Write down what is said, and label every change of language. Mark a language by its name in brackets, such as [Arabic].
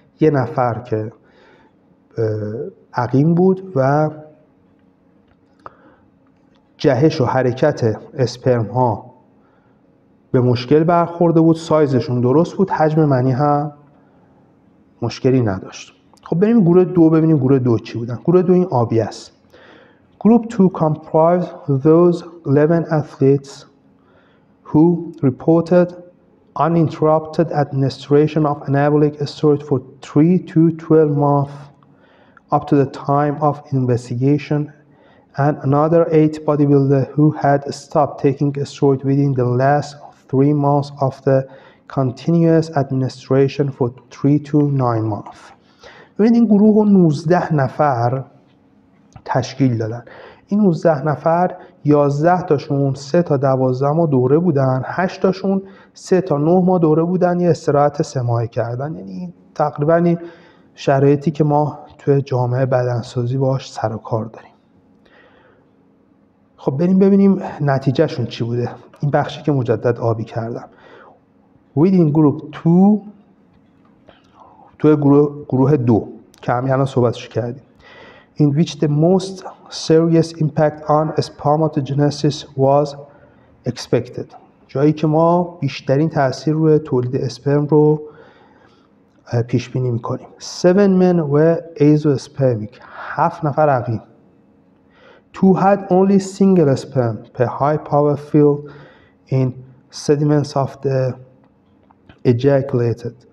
[Persian] یه نفر که عقیم بود و جهش و حرکت اسپرم ها به مشکل برخورده بود، سایزشون درست بود، حجم منی هم مشکلی نداشت. خب بریم گروه 2 ببینیم گروه 2 چی بودن. گروه 2 این آبی است. [English] Group 2 comprised those 11 athletes who reported uninterrupted administration of anabolic steroid for 3 to 12 months up to the time of investigation and another 8 bodybuilders who had stopped taking steroid within the last 3 months of the continuous administration for 3 to 9 months. [Persian] ببینید این گروه 19 نفر تشکیل دادن. این 19 نفر 11 تاشون 3 تا 12 ماه دوره بودن، 8 تاشون 3 تا 9 ماه دوره بودن، یه استراحت 3 ماهه کردن. یعنی تقریبا این شرایطی که ما توی جامعه بدنسازی باش سر و کار داریم. خب بریم ببینیم نتیجهشون چی بوده. این بخشی که مجدد آبی کردم. [English] Within group 2 [Persian] توی گروه 2 که همین الان صحبتش کردیم. [English] In which the most serious impact on spermatogenesis was expected. [Persian] جایی که ما بیشترین تأثیر روی تولید اسپرم رو پیش بینی میکنیم. [English] 7 men were azoospermic. [Persian] 7 نفر عقیم. [English] 2 had only single sperm per high power field in sediments of the ejaculated.